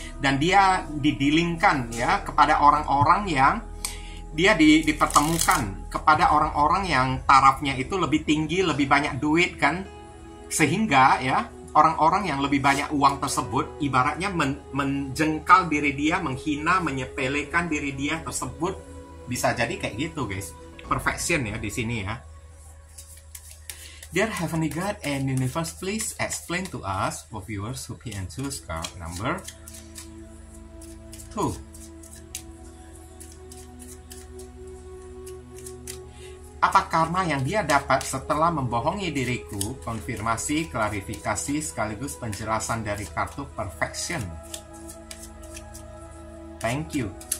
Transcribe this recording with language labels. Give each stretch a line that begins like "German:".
Indonesian: Dan dia didilingkan ya kepada orang-orang yang dia dipertemukan kepada orang-orang yang tarafnya itu lebih tinggi, lebih banyak duit kan. Sehingga ya, orang-orang yang lebih banyak uang tersebut ibaratnya menjengkal diri dia, menghina, menyepelekan diri dia tersebut. Bisa jadi kayak gitu, guys.
English: Perfection ya di
Indonesian: sini ya.
English: Dear Heavenly God and Universe, please explain to us for viewers who can choose card number 2.
Indonesian: Apa karma yang dia dapat setelah membohongi diriku? Konfirmasi, klarifikasi, sekaligus penjelasan dari kartu perfection.
English: Thank you.